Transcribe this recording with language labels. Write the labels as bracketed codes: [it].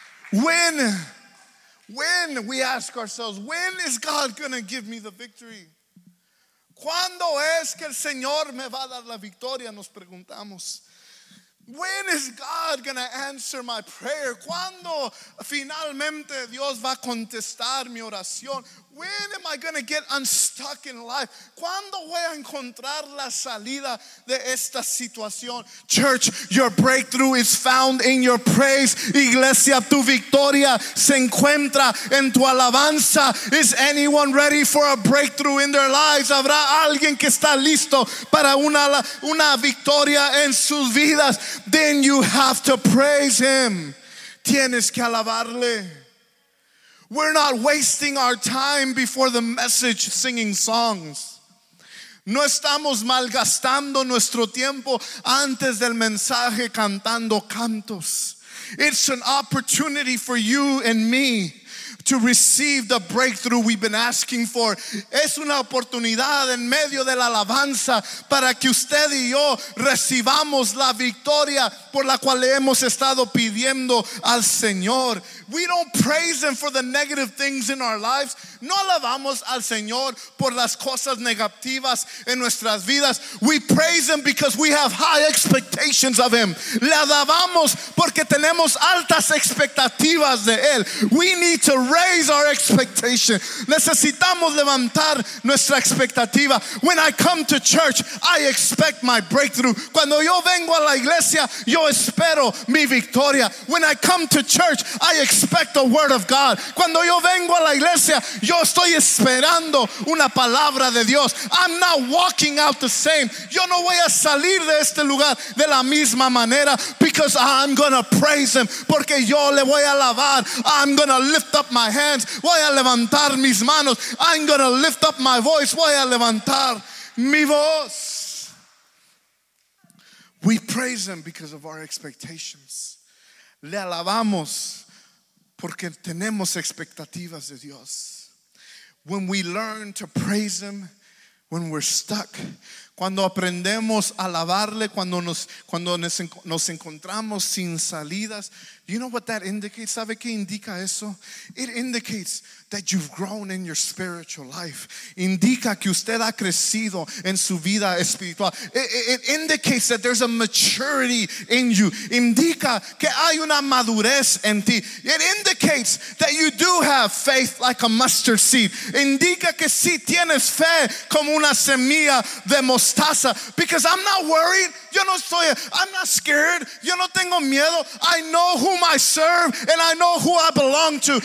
[en] When we ask ourselves, when is God gonna give me the victory? [es] ¿Cuándo es que el Señor me va a dar la victoria? Nos preguntamos. [en] When is God gonna answer my prayer? [es] ¿Cuándo finalmente Dios va a contestar mi oración? [en] When am I gonna get unstuck in life? [es] ¿Cuándo voy a encontrar la salida de esta situación? [en] Church, your breakthrough is found in your praise. [es] Iglesia, tu victoria se encuentra en tu alabanza. [en] Is anyone ready for a breakthrough in their lives? [es] ¿Habrá alguien que está listo para una victoria en sus vidas? [en] Then you have to praise Him. [es] Tienes que alabarle. [en] We're not wasting our time before the message singing songs. [es] No estamos malgastando nuestro tiempo antes del mensaje cantando cantos. [en] It's an opportunity for you and me to receive the breakthrough we've been asking for. [es] Es una oportunidad en medio de la alabanza para que usted y yo recibamos la victoria por la cual le hemos estado pidiendo al Señor. [en] We don't praise Him for the negative things in our lives. [es] No alabamos al Señor por las cosas negativas en nuestras vidas. [en] We praise Him because we have high expectations of Him. [es] Le alabamos porque tenemos altas expectativas de Él. [en] We need to raise our expectation. [es] Necesitamos levantar nuestra expectativa. [en] When I come to church, I expect my breakthrough. [es] Cuando yo vengo a la iglesia, yo espero mi victoria. [en] When I come to church, I expect the word of God. [es] Cuando yo vengo a la iglesia, yo estoy esperando una palabra de Dios. [en] I'm not walking out the same. [es] Yo no voy a salir de este lugar de la misma manera, [en] because I'm gonna praise Him. [es] Porque yo le voy a alabar. [en] I'm gonna lift up my hands. [es] Voy a levantar mis manos. [en] I'm gonna lift up my voice. [es] Voy a levantar mi voz. [en] We praise Him because of our expectations. [es] Le alabamos porque tenemos expectativas de Dios. [en] When we learn to praise Him when we're stuck, [es] cuando aprendemos a alabarle cuando nos encontramos sin salidas, [en] you know what that indicates? [es] ¿Sabe qué indica eso? [en] It indicates that you've grown in your spiritual life. [es] Indica que usted ha crecido en su vida espiritual. [en] It indicates that there's a maturity in you. [es] Indica que hay una madurez en ti. [en] It indicates that you do have faith like a mustard seed. [es] Indica que sí tienes fe como una semilla de mostaza. [en] Because I'm not worried. [es] Yo no estoy. [en] I'm not scared. [es] Yo no tengo miedo. [en] I know whom I serve and I know who I belong to.